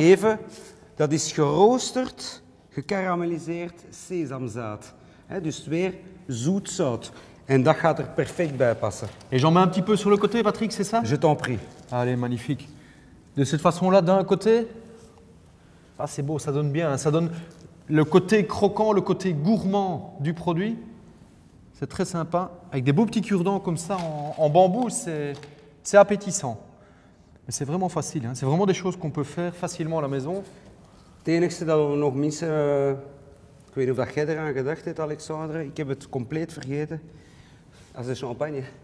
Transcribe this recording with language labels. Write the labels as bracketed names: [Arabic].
[Dutch] là. Even, dat is geroosterd, gekarameliseerd sesamzaad. He, dus weer zoet-zout. En dat gaat er perfect bij passen. [French] Et j'en mets un petit peu sur le côté, Patrick, c'est ça? Je t'en prie. Allez, magnifique. De cette façon-là, d'un côté, ah, c'est beau, ça donne bien. Hein. Ça donne le côté croquant, le côté gourmand du produit. C'est très sympa. Avec des beaux petits cure-dents comme ça en bambou, c'est appétissant. Mais c'est vraiment facile, hein. C'est vraiment des choses qu'on peut faire facilement à la maison. [Dutch] Het enige dat we nog missen, ik weet niet of dat jij eraan gedacht hebt, Alexandre, ik heb het compleet vergeten, als de champagne.